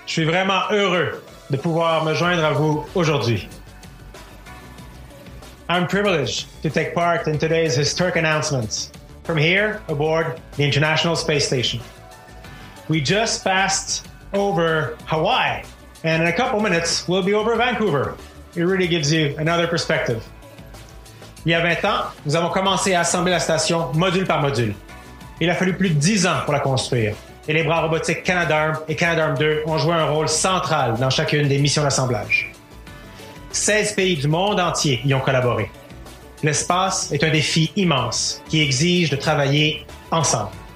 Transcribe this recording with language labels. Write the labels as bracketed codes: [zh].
[fr] Je suis vraiment heureux de pouvoir me joindre à vous aujourd'hui. [en] I'm privileged to take part in today's historic announcement from here aboard the International Space Station. We just passed over Hawaii, and in a couple minutes, we'll be over Vancouver. It really gives you another perspective. [fr] Il y a 20 ans, nous avons commencé à assembler la station module par module. Il a fallu plus de 10 ans pour la construire. Et les bras robotiques Canadarm et Canadarm 2 ont joué un rôle central dans chacune des missions d'assemblage. 16 pays du monde entier y ont collaboré. L'espace est un défi immense qui exige de travailler ensemble.